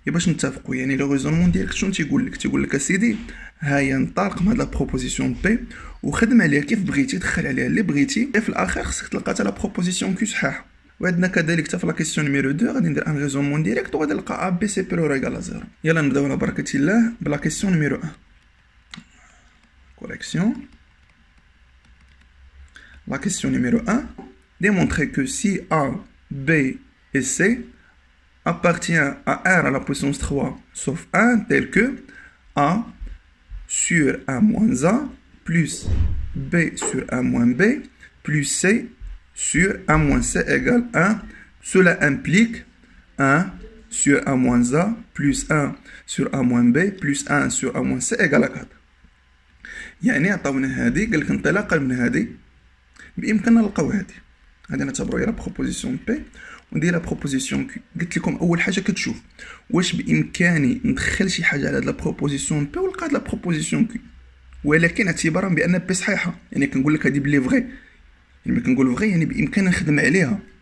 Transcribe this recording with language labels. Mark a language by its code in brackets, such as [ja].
[ar] باش نتفقوا، يعني لو ريزونمون ديالك شنو تيقول لك؟ تيقول لك اسيدي هاي نطلق من هاد لا بروبوزيسيون بي وخدم عليها كيف بغيتي، دخل عليها اللي بغيتي، في الاخر خصك تلقى حتى لا بروبوزيسيون كي صحاح. وعندنا كذلك حتى في لا كيسيون نيميرو 2 غادي ندير ان ريزونمون ديريكت وغادي نلقى ا بي سي بي لو ايكال ا زيرو. يلا نبداو على بركة الله بلا كيسيون نيميرو 1. [fr] كوريكسيون لا كيسيون نيميرو 1 ديمونتري كو سي ا بي et C appartient à R à la puissance 3 sauf 1 tel que A sur A moins A plus B sur A moins B plus C sur A moins C égale 1. Cela implique 1 sur A moins A plus 1 sur A moins B plus 1 sur A moins C égale à 4. [ar] يعني عطاونا هذه، قال لك انطلاقا من هذه بامكاننا نلقاو هذه. غادي نعتبروا هي لا بروبوزيسيون بي ندير لا بروبوزيسيون كي. قلت لكم اول حاجه كتشوف واش بامكاني ندخل شي حاجه على هاد لا بروبوزيسيون بي ولا هاد لا بروبوزيسيون كي، ولكن اعتبارا بان بي صحيحه، يعني كنقول لك هادي بلي فغي، يعني ملي كنقول فغي يعني بامكاني نخدم عليها.